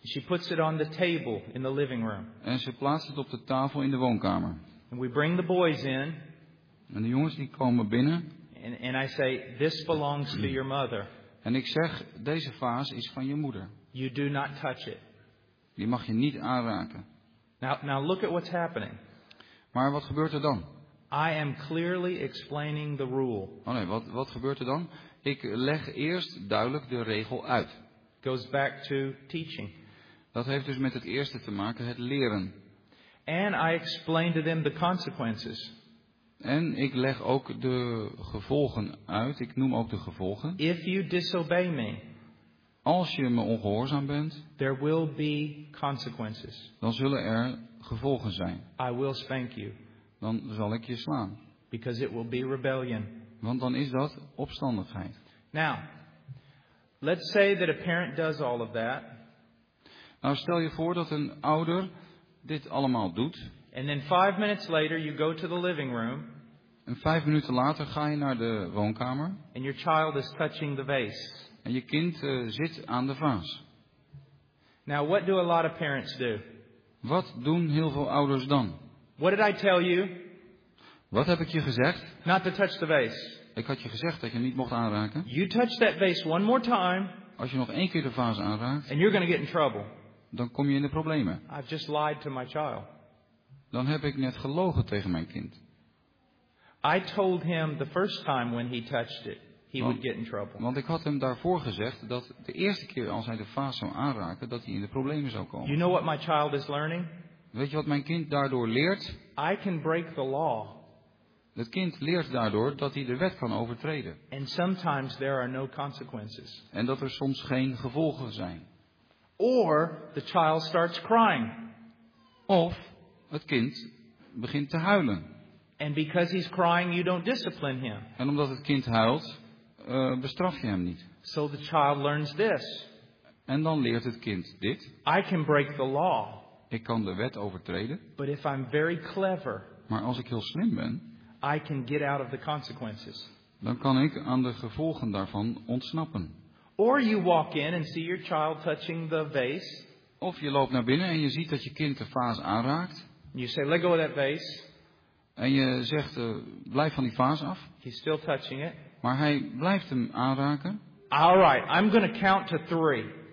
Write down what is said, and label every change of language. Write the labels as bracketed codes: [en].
[en] She puts it on the table in the living room. [nl] En ze plaatst het op de tafel in de woonkamer. [en] And we bring the boys in. [nl] En de jongens die komen binnen. [en] And I say, this belongs to your mother. [nl] En ik zeg, deze vaas is van je moeder. [en] You do not touch it. [nl] Die mag je niet aanraken. [en] Now look at what's happening. [nl] Maar wat gebeurt er dan? [en] I am clearly explaining the rule. [nl] Oh nee, wat gebeurt er dan? Ik leg eerst duidelijk de regel uit. [en] Goes back to teaching. [nl] Dat heeft dus met het eerste te maken, het leren. [en] And I explain to them the consequences. [nl] En ik leg ook de gevolgen uit. Ik noem ook de gevolgen. [en] If you disobey me, [nl] als je me ongehoorzaam bent, [en] there will be consequences. [nl] Dan zullen er gevolgen zijn. [en] I will spank you. [nl] Dan zal ik je slaan. [en] Because it will be rebellion. [nl] Want dan is dat opstandigheid. [en] Now, let's say that a parent does all of that. [nl] Nou, stel je voor dat een ouder dit allemaal doet. [en] And then 5 minutes later you go to the living room. [nl] En 5 minuten later ga je naar de woonkamer. [en] And your child is touching the vase. [nl] En je kind zit aan de vaas. [en] Now, what do a lot of parents do? [nl] Wat doen heel veel ouders dan? [en] What did I tell you? [nl] Wat heb ik je gezegd? [en] Not to touch the vase. [nl] Ik had je gezegd dat je hem niet mocht aanraken. [en] You touch that vase one more time. [nl] Als je nog één keer de vaas aanraakt. [en] And you're going to get in trouble. [nl] Dan kom je in de problemen. [en] I've just lied to my child. [nl] Dan heb ik net gelogen tegen mijn kind. [en] I told him the first time when he touched it, he would get in trouble. [nl] Want ik had hem daarvoor gezegd dat de eerste keer als hij de vaas zou aanraken, dat hij in de problemen zou komen. [en] You know what my child is learning? [nl] Weet je wat mijn kind daardoor leert? [en] I can break the law. [nl] Het kind leert daardoor dat hij de wet kan overtreden. [en] And sometimes there are no consequences. [nl] En dat er soms geen gevolgen zijn. [en] Or the child starts crying. [nl] Of het kind begint te huilen. [en] And because he's crying, you don't discipline him. [nl] En omdat het kind huilt, bestraf je hem niet. [en] So the child learns this. [nl] En dan leert het kind dit. [en] I can break the law. [nl] Ik kan de wet overtreden. [en] But if I'm very clever, [nl] maar als ik heel slim ben, [en] I can get out of the consequences. [nl] Dan kan ik aan de gevolgen daarvan ontsnappen. [en] Or you walk in and see your child touching the vase. [nl] Of je loopt naar binnen en je ziet dat je kind de vaas aanraakt. [en] You say, let go of that vase. [nl] En je zegt, blijf van die vaas af. [en] He's still touching it. [nl] Maar hij blijft hem aanraken. [en] All right, I'm going to count to three.